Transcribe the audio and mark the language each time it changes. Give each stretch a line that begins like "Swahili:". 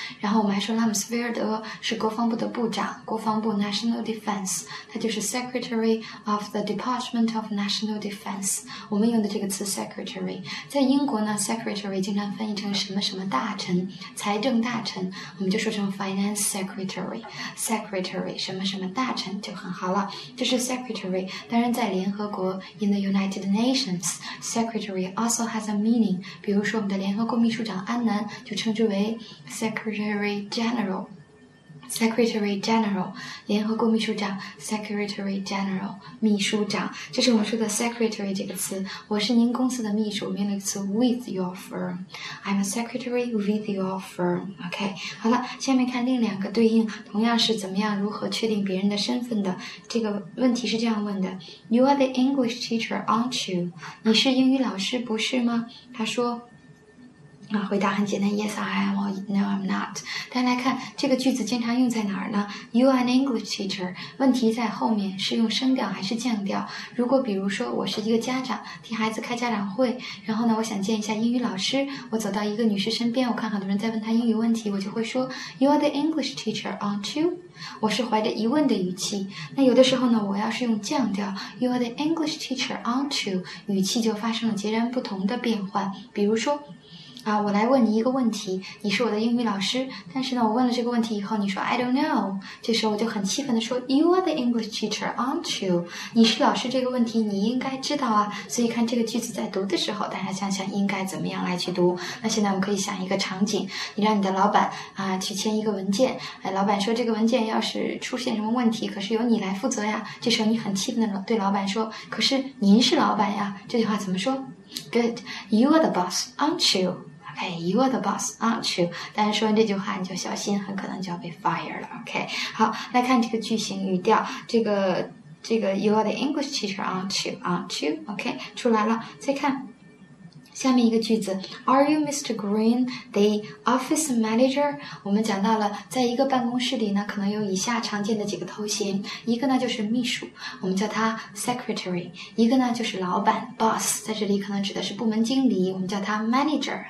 Chinese: 然后我们还说拉姆斯菲尔德是国防部的部长，国防部
English: National Defense,
Chinese: 他就是
English: Secretary of the Department of National Defense,
Chinese: 我们用的这个词 Secretary。在英国呢 ,Secretary 经常翻译成什么什么大臣，财政大臣，我们就说成
English: Finance Secretary,
Chinese: Secretary, 什么什么大臣就很好了，就是 Secretary。当然在联合国
English: ,in the United Nations, Secretary also has a meaning.
Chinese: 比如说我们的联合国秘书长安南就称之为
English: Secretary General, Secretary General，
Chinese: 联合国秘书长 Secretary General， 秘书长，这是我们说的 Secretary 这个词。我是您公司的秘书，名词
English: with your firm， I'm a secretary with your firm。
Chinese: OK， 好了，下面看另两个对应，同样是怎么样如何确定别人的身份的。这个问题是这样问的，
English: You are the English teacher, aren't you？
Chinese: 你是英语老师不是吗？他说回答很简单
English: ，Yes, I am. No, I'm not.
Chinese: 大家来看这个句子经常用在哪儿呢 ？
English: You are an English teacher.
Chinese: 问题在后面是用升调还是降调？如果比如说我是一个家长，替孩子开家长会，然后呢，我想见一下英语老师，我走到一个女士身边，我看很多人在问她英语问题，我就会说 ，
English: You are the English teacher, aren't you？
Chinese: 我是怀着疑问的语气，那有的时候呢，我要是用降调 ，
English: You are the English teacher, aren't you？
Chinese: 语气就发生了截然不同的变换。比如说，我来问你一个问题，你是我的英语老师，但是呢，我问了这个问题以后，你说
English: I don't know，
Chinese: 这时候我就很气愤地说
English: You are the English teacher, aren't you？
Chinese: 你是老师这个问题，你应该知道啊。所以看这个句子在读的时候，大家想想应该怎么样来去读。那现在我们可以想一个场景，你让你的老板去签一个文件，老板说这个文件要是出现什么问题，可是由你来负责呀。这时候你很气愤地对老板说，可是您是老板呀。这句话怎么说？
English: Good, you are the boss, aren't you? Okay, you are the boss, aren't you?
Chinese: 但是说完这句话你就小心，很可能就要被 fire 了。
English: Okay,
Chinese: 好，来看这个句型语调，这个
English: you are the English teacher, aren't you?
Chinese: Okay, 出来了，再看下面一个句子 ，
English: Are you Mr. Green, the office manager？
Chinese: 我们讲到了，在一个办公室里呢，可能有以下常见的几个头衔，一个呢就是秘书，我们叫他 secretary； 一个呢就是老板 boss， 在这里可能指的是部门经理，我们叫他 manager。